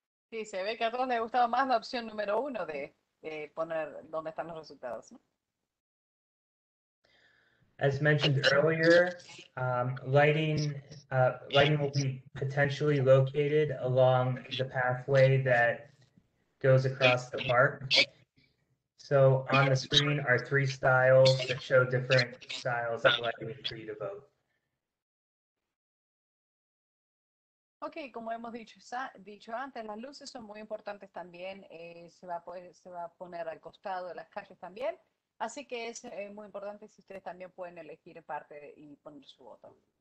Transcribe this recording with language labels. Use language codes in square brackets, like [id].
[es] Sí, se ve que a todos les gustaba más la opción número uno de poner dónde están los resultados. [en] As mentioned earlier, lighting will be potentially located along the pathway that goes across the park. So on the screen are three styles that show different styles of lighting for you to vote. [es] Okay, como hemos dicho antes, las luces son muy importantes también. Se va a poner al costado de las calles también. Así que es muy importante si ustedes también pueden elegir parte y poner su voto.